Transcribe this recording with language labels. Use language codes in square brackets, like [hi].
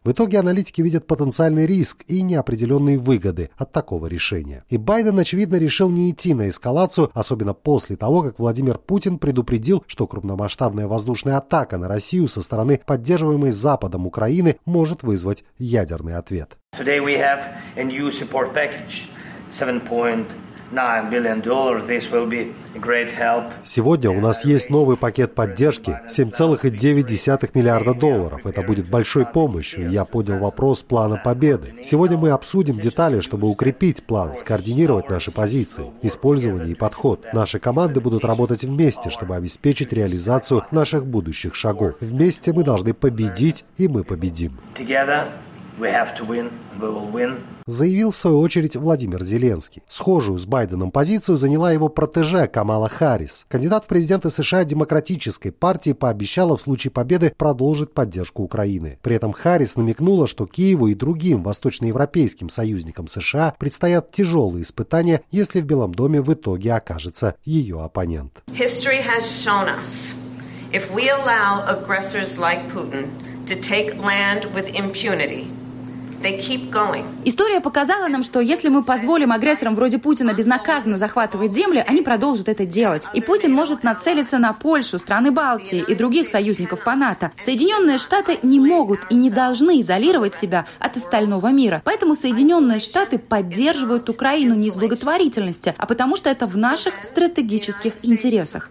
[ru] В итоге аналитики видят потенциальный риск и неопределенные выгоды от такого решения. И Байден, очевидно, решил не идти на эскалацию, особенно после того, как Владимир Путин предупредил, что крупномасштабная воздушная атака на Россию со стороны поддерживаемой Западом Украины может вызвать ядерный ответ. [en] Today we have a new support package, $7.9 billion. This will be great help. [ru] Сегодня у нас есть новый пакет поддержки 7,9 миллиарда долларов. Это будет большой помощью. Я поднял вопрос плана победы. Сегодня мы обсудим детали, чтобы укрепить план, скоординировать наши позиции, использование и подход. Наши команды будут работать вместе, чтобы обеспечить реализацию наших будущих шагов. Вместе мы должны победить, и мы победим. [en] We have to win, we will win. [ru] Заявил в свою очередь Владимир Зеленский. Схожую с Байденом позицию заняла его протеже Камала Харрис. Кандидат в президенты США Демократической партии пообещала в случае победы продолжить поддержку Украины. При этом Харрис намекнула, что Киеву и другим восточноевропейским союзникам США предстоят тяжелые испытания, если в Белом доме в итоге окажется ее оппонент. [en] History has shown us, if we allow aggressors like Putin to take land with impunity, they keep going. [ru] История показала нам, что если мы позволим агрессорам вроде Путина безнаказанно захватывать земли, они продолжат это делать. И Путин может нацелиться на Польшу, страны Балтии и других союзников по НАТО. Соединенные Штаты не могут и не должны изолировать себя от остального мира. Поэтому Соединенные Штаты поддерживают Украину не из благотворительности, а потому что это в наших стратегических интересах.